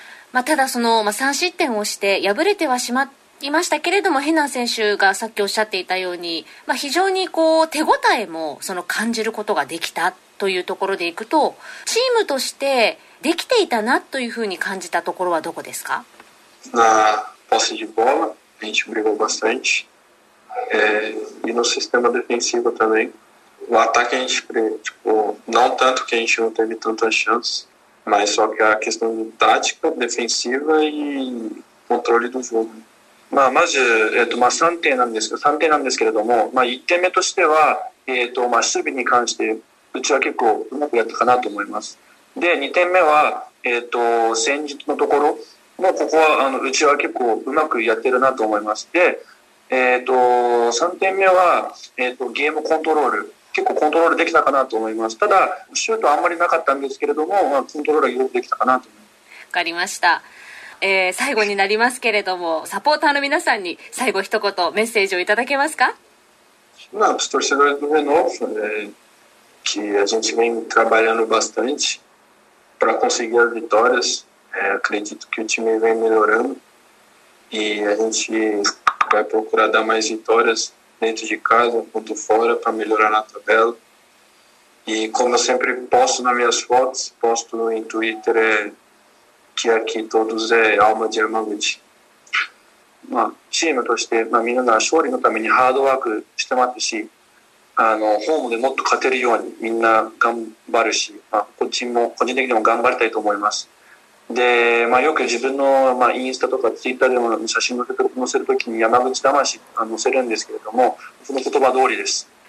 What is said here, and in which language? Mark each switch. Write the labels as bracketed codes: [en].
[ja] まあ、ただその、まあ、3失点をして敗れてはしまいましたけれども、ヘナン選手がさっきおっしゃっていたように、まあ、非常にこう、手応えもその感じることができたというところでいくと、チームとしてできていたなというふうに感じたところはどこですか？なあ、ポスティボール。 [pt] A gente brigou bastante. E no sistema defensivo também. O ataque a gente, tipo, não tanto que a gente não teve tantas chances, mas só que a questão de tática, defensiva e controle do jogo. [ja] まあ、まず、3点なんですけれども、まあ、1点目としては、まあ、守備に関して、うちは結構うまくやったかなと思います。で、2点目は、戦術のところ。もうここは、うちは結構うまくやってるなと思います。で、3点目は、ゲームコントロール。結構コントロールできたかなと思います。ただ、シュートはあんまりなかったんですけれども、まあ、コントロールはよくできたかなと思います。わかりました。最後になりますけれども、サポーターの皆さんに最後一言メッセージをいただけますか？まあ、ストレスの上の、 [pt] que a gente vem trabalhando bastante para conseguir as vitórias。 Acredito que o time vem melhorando e a gente vai procurar dar mais vitórias dentro de casa quanto fora para melhorar na tabela. E como eu sempre posto nas minhas fotos, posto em Twitter, que aqui todos é alma de Yamaguchi. [ja] まあ、チームとして、まあ、みんな勝利のためにハードワークしてますし、ホームでもっと勝てるようにみんな頑張るし、まあ、こっちも個人的にも頑張りたいと思います。で、まあ、よく自分の、まあ、インスタとかツイッターでも写真載せるときに山口魂載せるんですけれども、その言葉通りです。